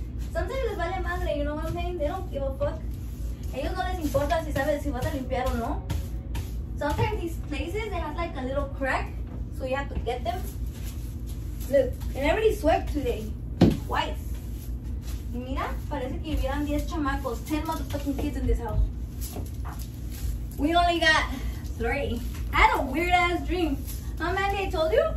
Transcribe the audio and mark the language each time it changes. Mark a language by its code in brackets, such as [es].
[en] Sometimes [es] les vale madre, [en] you know what I'm saying? They don't give a fuck. [es] Ellos no les importa si sabes si vas a limpiar o no. [en] Sometimes these places, they have like a little crack. So you have to get them. Look, and everybody swept today. Twice. [es] Y mira, parece que hubieran 10 chamacos, [en] 10 motherfucking kids in this house. We only got 3. I had a weird ass dream. Huh, Mandy, I told you?